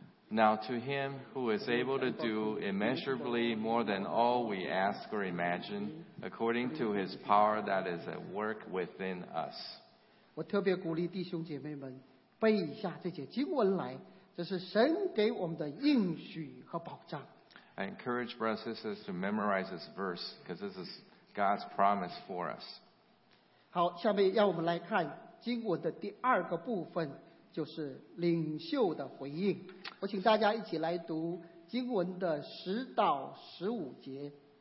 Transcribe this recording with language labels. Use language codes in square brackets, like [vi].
[en] Now to him who is able to do immeasurably more than all we ask or imagine, according to his power that is at work within us. [zh] 我特别鼓励弟兄姐妹们背一下这节经文来，这是神给我们的应许和保障。 [en] I encourage brothers and sisters to memorize this verse because this is God's promise for us. [zh] 好，下面让我们来看经文的第二个部分，就是领袖的回应。我请大家一起来读经文的十到十五节。